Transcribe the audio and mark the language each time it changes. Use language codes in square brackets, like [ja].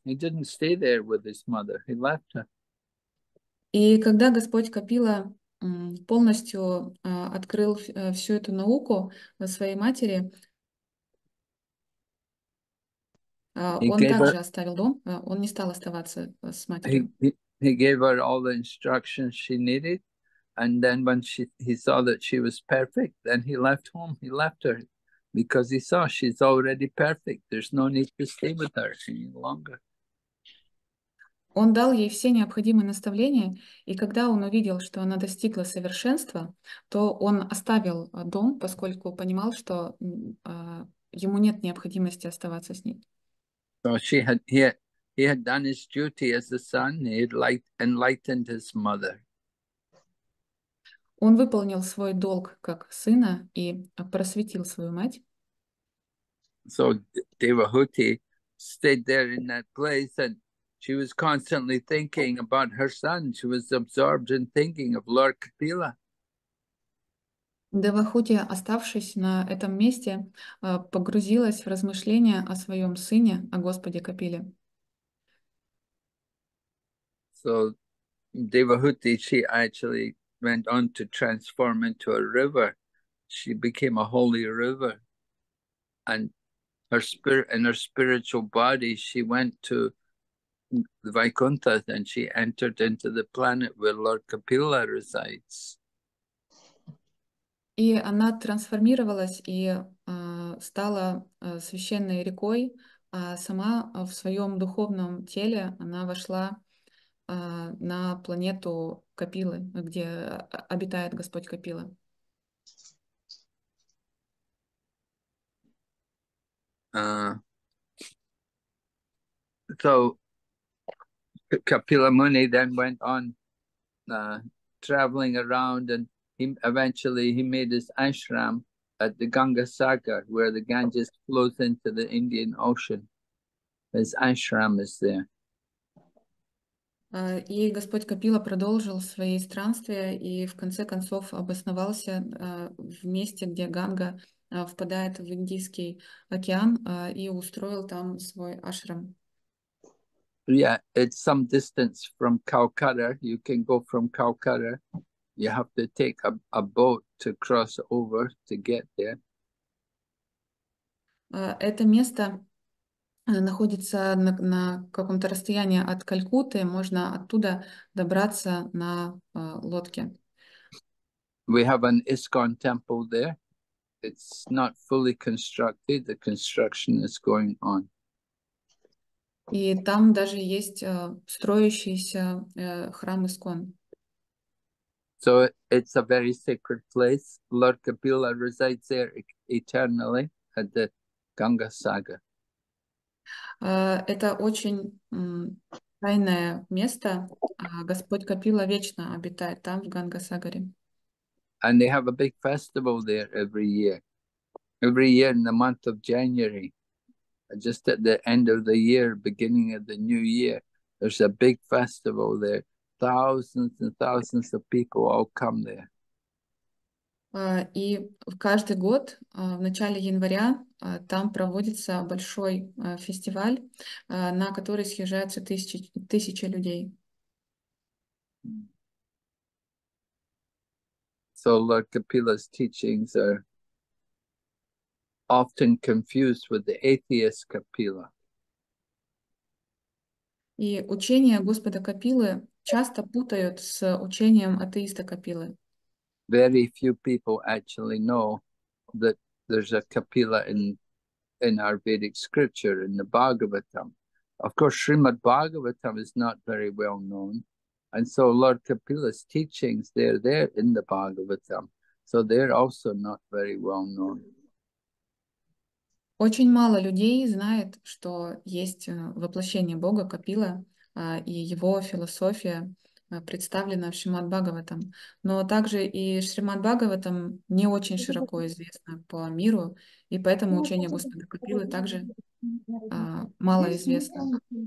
[en] He didn't stay there with his mother. He left her. [ru] И когда Господь Капила полностью открыл всю эту науку своей матери, [en] He [ru] Он [en] gave [ru] также [en] her [ru] оставил дом, он не стал оставаться с матерью. [en] he gave her all the instructions she needed, and then when he saw that she was perfect, then he left home. He left her because he saw she's already perfect. There's no need to stay with her any longer. [ru] Он дал ей все необходимые наставления, и когда он увидел, что она достигла совершенства, то он оставил дом, поскольку понимал, что ему нет необходимости оставаться с ней. [en] So she had he had done his duty as a son. He had enlightened his mother. [ru] Он выполнил свой долг как сына и просветил свою мать. [en] So Devahuti stayed there in that place, and she was constantly thinking about her son. She was absorbed in thinking of Lord Kapila. [ru] Девахути, оставшись на этом месте, погрузилась в размышления о своем сыне, о Господе Капиле. [en] So Devahuti, she actually went on to transform into a river. She became a holy river. And her spirit in her spiritual body, she went to Vaikuntha and she entered into the planet where Lord Kapila resides. [ru] И она трансформировалась и стала священной рекой, а сама в своем духовном теле она вошла на планету Капилы, где обитает Господь Капила. [en] So Kapila Muni then went on traveling around, and he eventually made his ashram at the Ganga Sagar, where the Ganges flows into the Indian Ocean. His ashram is there. [ru] И Господь Капила продолжил свои странствия и в конце концов обосновался в месте, где Ганга впадает в Индийский океан, и устроил там свой ашрам. [en] Yeah, it's some distance from Calcutta. You can go from Calcutta. You have to take a boat to cross over to get there. [ru] Это место находится на каком-то расстоянии от Калькутты, можно оттуда добраться на лодке. [en] We have an ISKCON temple there. It's not fully constructed. The construction is going on. [ru] И там даже есть строящийся храм ИСКОН. [en] So it's a very sacred place. Lord Kapila resides there eternally at the Ganga Sagar. [ru] Это очень тайное место. Господь Капила вечно обитает там, в Ганга-сагаре. [en] And they have a big festival there every year. Every year in the month of January, just at the end of the year, beginning of the new year, there's a big festival there. Thousands and thousands of people all come there. [ru] И каждый год в начале января там проводится большой фестиваль, на который съезжаются тысячи людей. [en] So Lord Kapila's teachings are often confused with the atheist Kapila. [ru] И учение Господа Капилы часто путают с учением атеиста Капилы. [en] Very few people actually know that there's a Kapila in our Vedic scripture, in the Bhagavatam. Of course, Srimad Bhagavatam is not very well known. And so Lord Kapila's teachings, they're there in the Bhagavatam. So they're also not very well known. [ru] Очень мало людей знает, что есть воплощение Бога Капила, и его философия представлена в Шримад Бхагаватам. Но также и Шримад Бхагаватам не очень широко известно по миру, и поэтому учение Господа Капилы также мало известно.